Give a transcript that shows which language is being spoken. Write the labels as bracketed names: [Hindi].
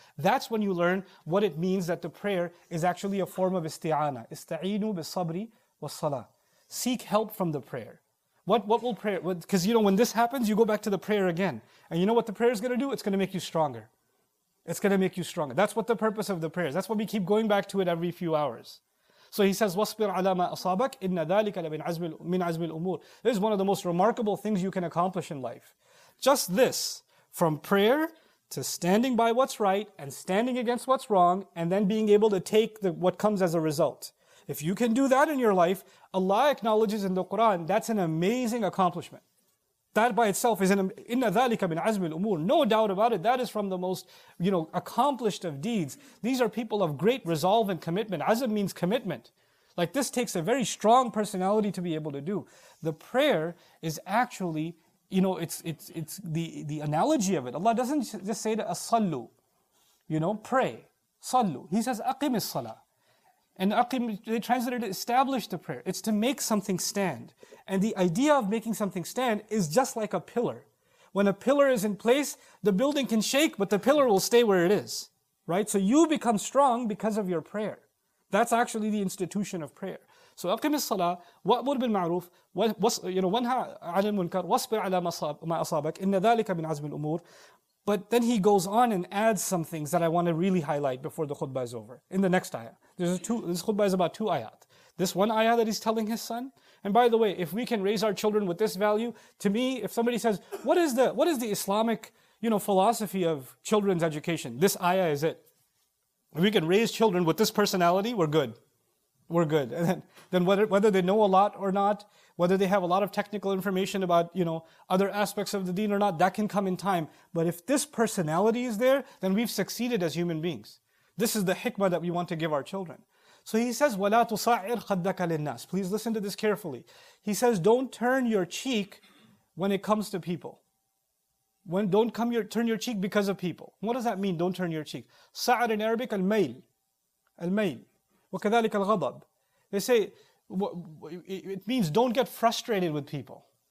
[English] That's when you learn what it means that the prayer is actually a form of isti'ana. [Arabic] إِسْتَعِينُوا بِالصَّبْرِ وَالصَّلَاةِ. [English] Seek help from the prayer. What will prayer, because you know when this happens, you go back to the prayer again. And you know what the prayer is going to do? It's going to make you stronger. It's going to make you stronger. That's what the purpose of the prayer is. That's why we keep going back to it every few hours. So he says, [Arabic] وَاصْبِرْ عَلَى مَا أَصَابَكَ إِنَّ ذَلِكَ لَمِنْ عَزْمِ الْأُمُورِ. [English] This is one of the most remarkable things you can accomplish in life. Just this, from prayer to standing by what's right and standing against what's wrong, and then being able to take what comes as a result. If you can do that in your life, Allah acknowledges in the Quran, that's an amazing accomplishment. That by itself is [Arabic] إِنَّ ذَلِكَ مِنْ عَزْمِ الْأُمُورِ. [English] No doubt about it, that is from the most, you know, accomplished of deeds. These are people of great resolve and commitment. Azm means commitment. Like, this takes a very strong personality to be able to do. The prayer is actually, you know, it's the analogy of it. Allah doesn't just say to أَصَلُّ, you know, pray, صَلُّ. He says [Arabic] أَقِمِ الصَّلَاةِ. [English] And أقيم, they translated it, establish the prayer. It's to make something stand. And the idea of making something stand is just like a pillar. When a pillar is in place, the building can shake, but the pillar will stay where it is. Right? So you become strong because of your prayer. That's actually the institution of prayer. [Arabic] So أقيم الصلاة وأمر بالمعروف وانهى عن المنكر واصبر على ما أصابك إن ذلك من عزم الأمور. [English] But then he goes on and adds some things that I want to really highlight before the khutbah is over. In the next ayah. This khutbah is about two ayat. This one ayah that he's telling his son. And by the way, if we can raise our children with this value, to me, if somebody says, what is the Islamic, you know, philosophy of children's education? This ayah is it. If we can raise children with this personality, we're good. We're good. And then whether they know a lot or not, whether they have a lot of technical information about, you know, other aspects of the deen or not, that can come in time. But if this personality is there, then we've succeeded as human beings. This is the hikmah that we want to give our children. So he says, [Arabic] وَلَا تُصَعِرْ خَدَّكَ لِلنَّاسِ. [English] Please listen to this carefully. He says, don't turn your cheek when it comes to people. Turn your cheek because of people. What does that mean, don't turn your cheek? سَعَرْ in Arabic, الْمَيْلِ. [Arabic] الْمَيْلِ. وَكَذَلِكَ الْغَضَبِ. [English] They say, it means don't get frustrated with people.